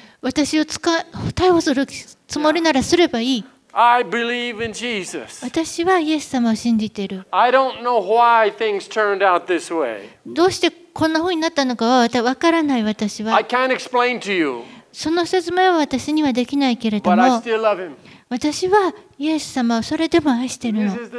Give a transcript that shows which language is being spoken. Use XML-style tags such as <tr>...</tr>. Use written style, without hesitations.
<ja>私を逮捕するつもりならすればいい。</ja> <en>I believe in Jesus.</en> <ja>私はイエス様を信じている。</ja> <en>I don't know why things turned out this way.</en> <ja>どうしてこんな風になったのかは分からない私は。</ja> <en>I can't explain to you.</en> <ja>その説明は私にはできないけれども。</ja> <en>But I still love him.</en> <ja>私はイエス様をそれでも愛してるの。</ja>